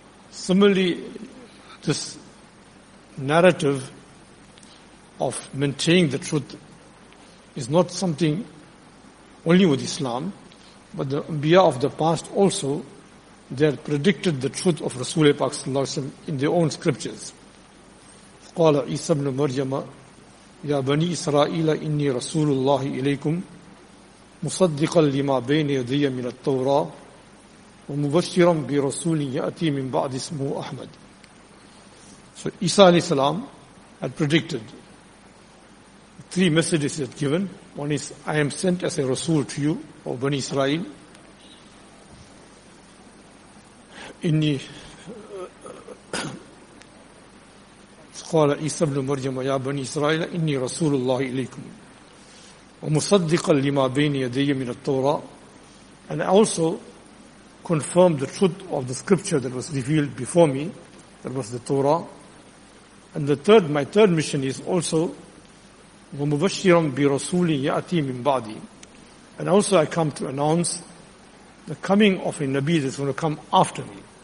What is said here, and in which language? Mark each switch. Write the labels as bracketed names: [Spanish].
[English] Similarly, this narrative of maintaining the truth is not something only with Islam, but the Anbiya of the past also, they had predicted the truth of Rasulullah sallallahu alaihi wasallam in their own scriptures. [Arabic] قَالَ عِيسَى بْنُ مَرْيَمَ يَا بَنِي إِسْرَائِيلَ إِنِّي رَسُولُ اللَّهِ إِلَيْكُمْ مصدقا لما بين يدي من التوراة ومبشرا برسول يأتي من بعد اسمه أحمد. [English] So Isa alayhi salam had predicted, three messages he had given. One is, I am sent as a Rasul to you, O Bani Israel. [Arabic] Inni قال عيسى بن مريم يا بني إسرائيل إني رسول الله إليكم ومصدقا لما بين يدي من التوراة. [English] And I also confirmed the truth of the scripture that was revealed before me, that was the Torah. And the third, my third mission is also [Arabic] وَمُبَشِّرًا بِرَسُولٍ يَأْتِي مِنْ بَعْدِي. [English] And also I come to announce the coming of a Nabi that's going to come after me.